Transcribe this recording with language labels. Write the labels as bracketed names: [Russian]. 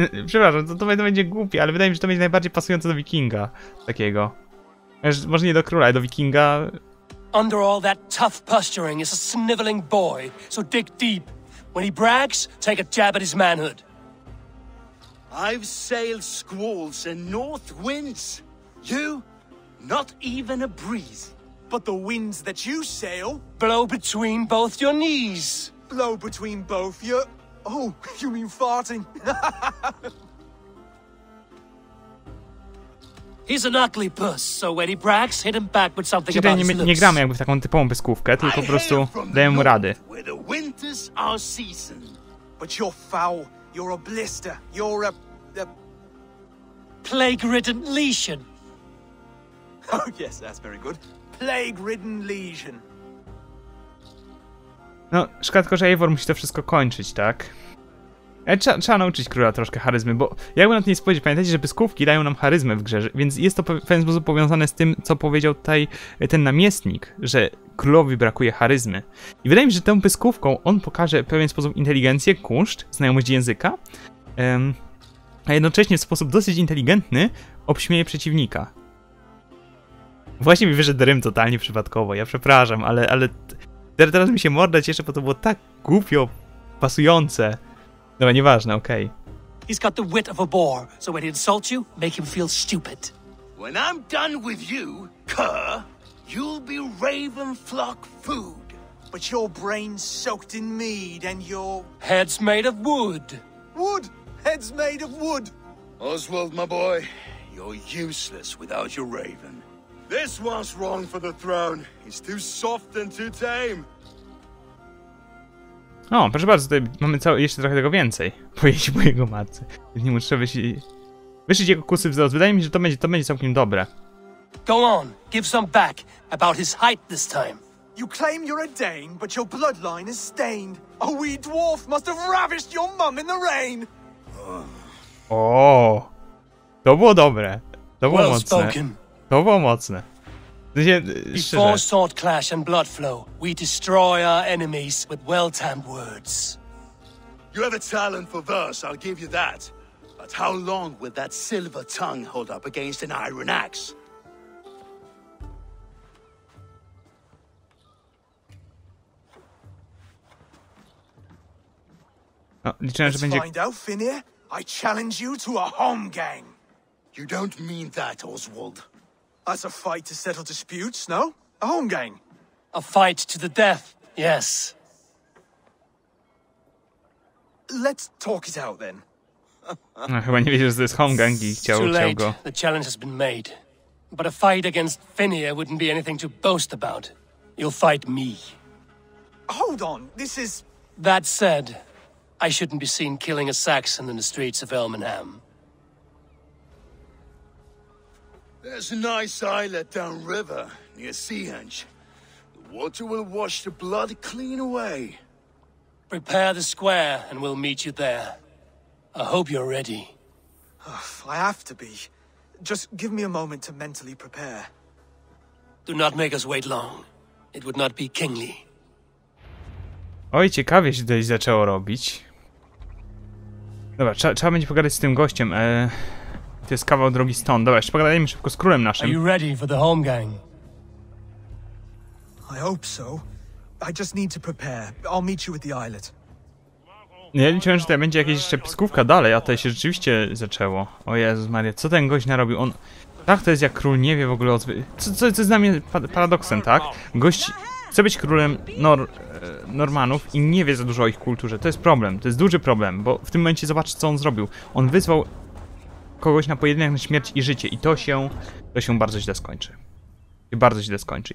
[Polish] Przepraszam, to będzie głupie, ale wydaje mi się, że to będzie najbardziej pasujące do wikinga takiego. Może nie do króla, ale do wikinga... [English] Under all that tough posturing is a sniveling boy, so dig deep. When he brags, take a jab at his manhood. I've sailed squalls and north winds. You? Not even a breeze. But the winds that you sail... Blow between both your knees. Blow between both your... Oh, you mean farting? He's an ugly puss, so when he brags, hit him back with something about his looks. [Polish] Nie gramy jakby w taką typową pyskówkę, tylko po prostu dajemy mu rady. [English] Where the winters are season. But you're foul. You're a blister. You're a plague-ridden lesion. Oh, yes, that's very good. Plague-ridden lesion. [Polish] No, szkoda tylko, że Eivor musi to wszystko kończyć, tak? Trzeba nauczyć króla troszkę charyzmy, bo jakby na to nie spojrzeć, pamiętajcie, że pyskówki dają nam charyzmę w grze, więc jest to w pewien sposób powiązane z tym, co powiedział tutaj ten namiestnik, że królowi brakuje charyzmy. I wydaje mi się, że tą pyskówką on pokaże w pewien sposób inteligencję, kunszt, znajomość języka, a jednocześnie w sposób dosyć inteligentny obśmieje przeciwnika. Właśnie mi wyszedł rym totalnie przypadkowo, ja przepraszam, ale... Teraz mi się morda cieszę, bo to było tak głupio pasujące. No, nieważne, okej. [English] Okay. He's got the wit of a boar, so when he insults you, make him feel stupid. When I'm done with you, cur, you'll be raven flock food. But your brain's soaked in mead and your... Head's made of wood. Wood! Head's made of wood! Oswald, my boy, you're useless without your raven. This one's wrong for the throne. He's too soft and too tame. [Polish] O, proszę bardzo, tutaj mamy jeszcze trochę tego więcej. Pojeździ po jego matce. Nie muszę wyszyć jego kusy wzrost. Wydaje mi się, że to będzie całkiem dobre. [English] Go on, give some back about his height this time. You claim you're a Dane, but your bloodline is stained. A wee dwarf must have ravished your mum in the rain. [Polish] O, to było dobre. To było mocne. To było mocne. [English] Before sword clash and blood flow, we destroy our enemies with well-timed words. You have a talent for verse, I'll give you that. But how long will that silver tongue hold up against an iron axe? Let's find out, Finnir. I challenge you to a home gang. You don't mean that, Oswald. That's a fight to settle disputes, no? A home gang. A fight to the death, yes. Let's talk it out then. [Polish] No, chyba nie wiedział, że to jest home gang i chciał go. [English] The challenge has been made. But a fight against Finnir wouldn't be anything to boast about. You'll fight me. Hold on, this is... That said, I shouldn't be seen killing a Saxon in the streets of Elmenham. There's a nice islet down river, near Seahenge. The water will wash the blood clean away. Prepare the square, and we'll meet you there. I hope you're ready. I have to be. Just give me a moment to mentally prepare. Do not make us wait long. It would not be kingly. [Polish] Oj, ciekawie się tutaj zaczęło robić. Dobra, trzeba będzie pogadać z tym gościem, To jest kawał drogi stąd. Dobra, jeszcze pogadajmy szybko z królem naszym. [English] Are you ready for the home gang? I hope so. I just need to prepare. I'll meet you at the islet. [Polish] Ja liczyłem, że tutaj będzie jakieś jeszcze pyskówka dalej, a to się rzeczywiście zaczęło. O Jezus Maria, co ten gość narobił? On... Tak to jest, jak król nie wie w ogóle o... Co jest z nami paradoksem, tak? Gość chce być królem Normanów i nie wie za dużo o ich kulturze. To jest problem, to jest duży problem, bo w tym momencie zobacz, co on zrobił. On wyzwał kogoś na pojedynek na śmierć i życie i to się bardzo źle skończy. Bardzo źle skończy.